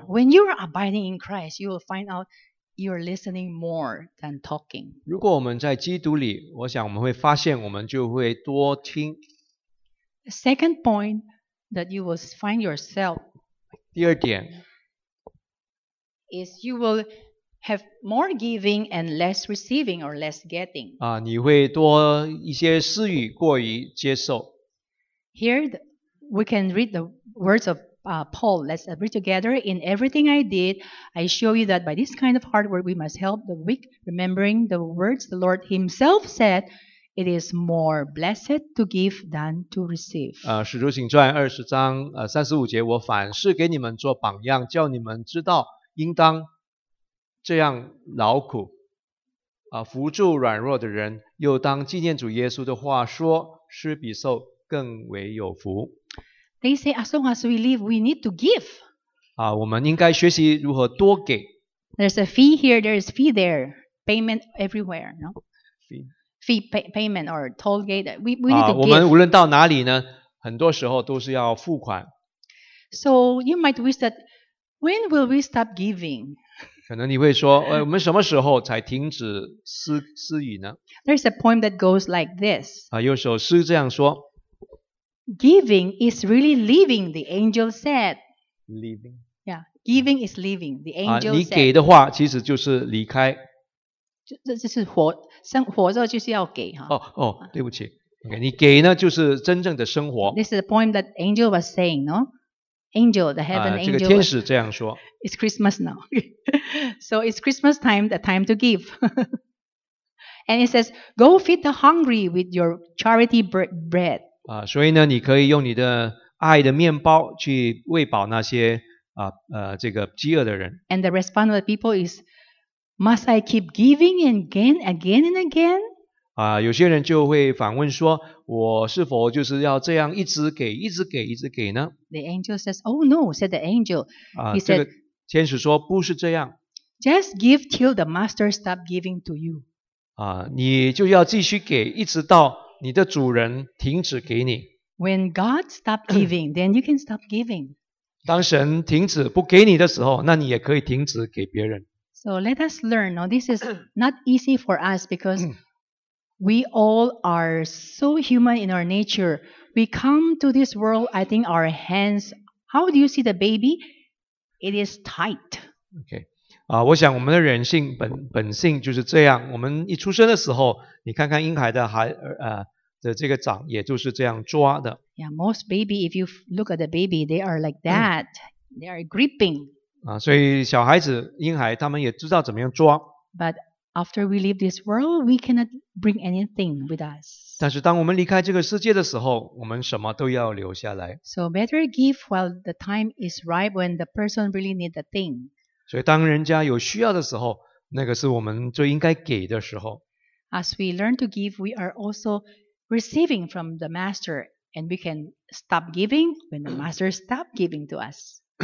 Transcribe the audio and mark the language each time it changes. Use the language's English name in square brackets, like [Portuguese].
[English] When you are abiding in Christ, you will find out. You're listening more than talking. [Chinese] 如果我们在基督里，我想我们会发现，我们就会多听。 [English] The second point that you will find yourself. [Chinese] 第二点 [English] is you will have more giving and less receiving or less getting. [Chinese] 啊，你会多一些施予，过于接受。 [English] Here we can read the words ofPaul, let's read together. In everything I did, I show you that by this kind of hard work, we must help the weak, remembering the words the Lord Himself said, it is more blessed to give than to receive. [Chinese] 使徒行传二十章三十五节，我反是给你们做榜样，叫你们知道应当这样劳苦，扶助软弱的人，又当纪念主耶稣的话说，施比受更为有福。 [English] They say as long as we live, we need to give. [Chinese] 我们应该学习如何多给。 [English] There's a fee here, there's fee there, payment everywhere, no? Fee payment or toll gate. We need to give. [Chinese] 我们无论到哪里呢，很多时候都是要付款。 [English] So you might wish that when will we stop giving? [Chinese] 可能你会说，我们什么时候才停止施予呢？ [English] There's a poem that goes like this. [Chinese] 有首诗这样说。 [English] Giving is really living, the angel said. Living. Yeah, giving is living, the angel said. [Chinese] 你给的话其实就是离开。这是活着就是要给。对不起。 [English] Okay, [Chinese] 你给呢就是真正的生活。 [English] This is the poem that angel was saying, no? Angel, the heaven angel. [Chinese] 这个天使这样说。 [English] It's Christmas now. So it's Christmas time, the time to give. And it says, go feed the hungry with your charity bread. [Chinese] 所以呢，你可以用你的爱的面包去喂饱那些这个饥饿的人。 [English] And the response of the people is, must I keep giving again, again and again? [Chinese] 有些人就会反问说，我是否就是要这样一直给，一直给，一直给呢？ [English] The angel says, oh no, said the angel. He said, [Chinese] 这个天使说不是这样。 [English] Just give till the master stop giving to you. [Chinese] 你就要继续给，一直到你的主人停止给你。 [English] When God stops giving, then you can stop giving. [Chinese] 当神停止不给你的时候，那你也可以停止给别人。 [English] So let us learn. Now, this is not easy for us because we all are so human in our nature. We come to this world, I think our hands, how do you see the baby? It is tight. Okay. [Chinese] 我想我们的人性本性就是这样。我们一出生的时候，你看看婴孩的这个掌，也就是这样抓的。 [English] Yeah, most baby, if you look at the baby, they are like that. They are gripping. [Chinese] 所以小孩子婴孩他们也知道怎么样抓。 [English] But after we leave this world, we cannot bring anything with us. [Chinese] 但是当我们离开这个世界的时候，我们什么都要留下来。 [English] So better give while the time is ripe when the person really need the thing. [Chinese] 所以当人家有需要的时候，那个是我们最应该给的时候。 [English] As we learn to give, we are also receiving from the master, and we can stop giving when the master stops giving to us.